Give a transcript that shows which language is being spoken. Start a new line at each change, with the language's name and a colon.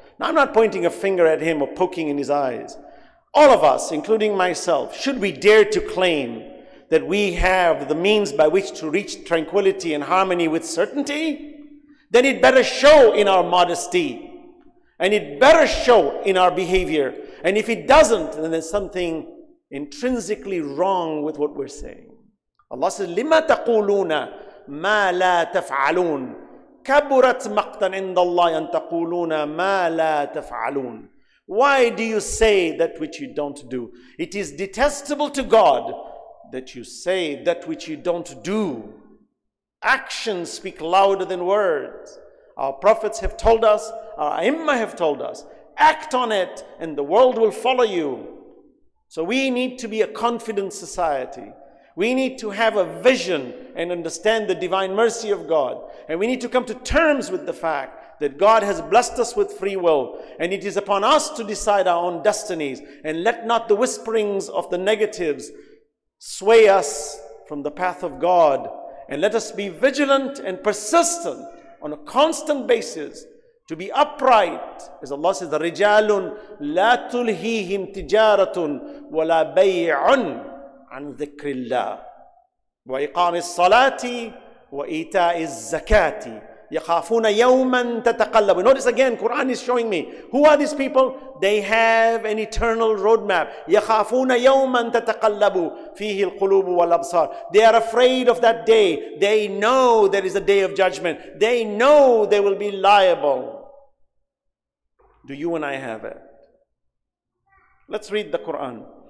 English: Now, I'm not pointing a finger at him or poking in his eyes. All of us, including myself, should we dare to claim that we have the means by which to reach tranquility and harmony with certainty, then it better show in our modesty. And it better show in our behavior. And if it doesn't, then there's something intrinsically wrong with what we're saying. Allah says,
Arabic: لِمَا تَقُولُونَ مَا لَا تَفْعَلُونَ كَبُرَتْ مَقْتًا عِنْدَ اللَّهِ أَن تَقُولُونَ مَا لَا تَفْعَلُونَ
English: Why do you say that which you don't do? It is detestable to God that you say that which you don't do. Actions speak louder than words. Our prophets have told us, our imma have told us, act on it and the world will follow you. So we need to be a confident society. We need to have a vision and understand the divine mercy of God. And we need to come to terms with the fact that God has blessed us with free will. And it is upon us to decide our own destinies. And let not the whisperings of the negatives sway us from the path of God. And let us be vigilant and persistent on a constant basis to be upright. As Allah says,
Arabic: رِجَالٌ لَا تُلْهِيهِمْ تِجَارَةٌ وَلَا بَيْعٌ عَنْ ذِكْرِ اللَّهِ وَإِقَامِ الصَّلَاةِ وَإِيْتَاءِ الزَّكَاةِ يَخَافُونَ يَوْمًا تَتَقَلَّبُ
English: Notice again, Quran is showing me. Who are these people? They have an eternal roadmap.
Arabic: يَخَافُونَ يَوْمًا تَتَقَلَّبُ فِيهِ الْقُلُوبُ وَالْأَبْصَارِ
English: They are afraid of that day. They know there is a day of judgment. They know they will be liable. Do you and I have it? Let's read the Quran.